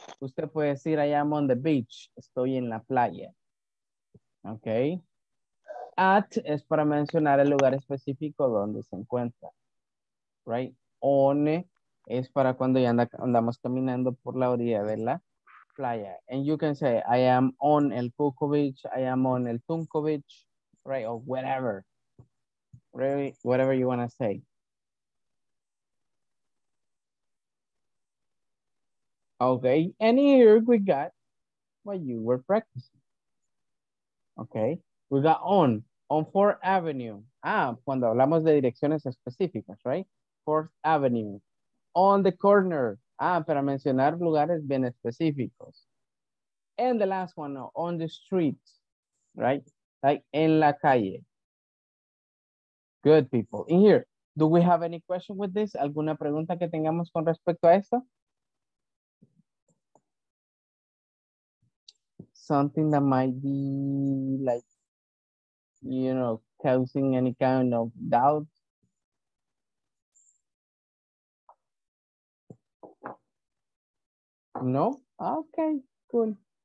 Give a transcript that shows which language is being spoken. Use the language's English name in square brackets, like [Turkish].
[Spanish] Usted puede decir, [English] I am on the beach, [Spanish] estoy en la playa, okay? At es para mencionar el lugar específico donde se encuentra, right? On es para cuando ya andamos caminando por la orilla de la playa. [English] And you can say, I am on El Coco Beach, I am on El Tunco Beach, right? Or whatever. Really, whatever you want to say. Okay. And here we got what you were practicing. Okay. We got on 4th Avenue. [Spanish] Cuando hablamos de direcciones específicas, [English] right? 4th Avenue. On the corner. [Spanish] Para mencionar lugares bien específicos. [English] And the last one, on the street, right? Like, [Spanish] en la calle. [English] Good people. In here, do we have any question with this? [Spanish] ¿Alguna pregunta que tengamos con respecto a esto? [English] Something that might be, like, you know, causing any kind of doubt? No? Okay, cool.